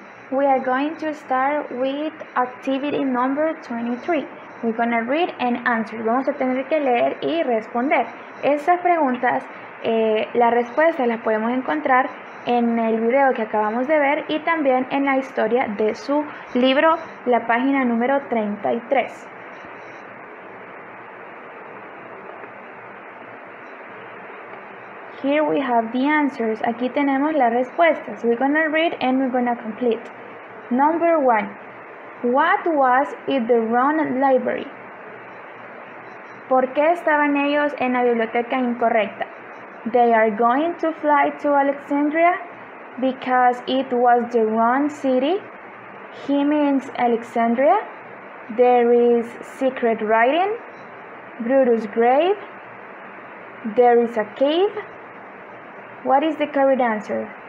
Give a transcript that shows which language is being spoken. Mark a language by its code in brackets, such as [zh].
[en] We are going to start with activity number 23. We're going to read and answer. [es] Vamos a tener que leer y responder. Esas preguntas, las respuestas las podemos encontrar en el video que acabamos de ver y también en la historia de su libro, la página número 33. [en] Here we have the answers. [es] Aquí tenemos las respuestas. [en] We're going to read and we're going to complete. Number one, what was in the wrong library? [es] ¿Por qué estaban ellos en la biblioteca incorrecta? [en] They are going to fly to Alexandria because it was the wrong city. He means Alexandria. There is secret writing. Brutus' grave. There is a cave. What is the correct answer?